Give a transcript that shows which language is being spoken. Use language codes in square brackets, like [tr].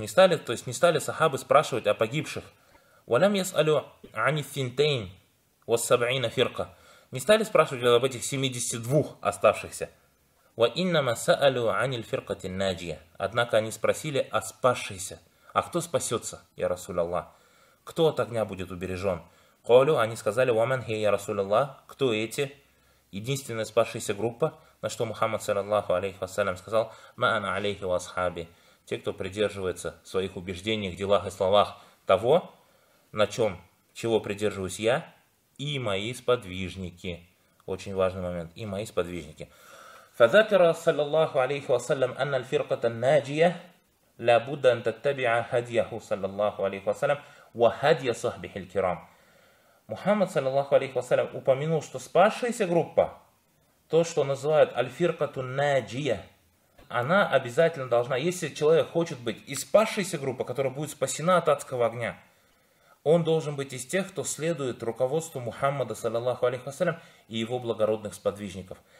[ru] Не стали, то есть не стали сахабы спрашивать о погибших. [ar] «Валям яс алю ани финтейн, вас саб'ина фирка». [ru] не стали спрашивать об этих 72 оставшихся. [ar] وَإِنَّمَا سَأَلُوا عَنِ الْفِرْقَةِ النَّاجِيَةِ [ru] Однако они спросили о спасшейся. А кто спасется, я Расуль Аллах? Кто от огня будет убережен? [ar] قَالُوا [ru] Они сказали, [ar] وَمَنْ هِيَ يَا رَسُولَ اللَّهِ [ru] Кто эти? Единственная спасшаяся группа, на что Мухаммад, саллаллаху алейхи вассалям, сказал, [ar] مَا أَنَا عَلَيْهِ وَأَصْحَابِ [ru] Те, кто придерживается своих убеждений, делах и словах того, на чем, чего придерживаюсь я, и мои сподвижники. Очень важный момент. И мои сподвижники. [ar] فذكر صلى الله عليه وسلم أن الفرقة الناجية لابد أن تتبع هديه صلى الله عليه وسلم وهدي صحبه الكرام. [ru] Мухаммад, صلى الله عليه وسلم, упомянул, что спасшаяся группа, то, что называют [ar] الفرقة الناجية, [ru] она обязательно должна, если человек хочет быть из спасшейся группы, которая будет спасена от адского огня, он должен быть из тех, кто следует руководству Мухаммада, صلى الله عليه وسلم, и его благородных сподвижников.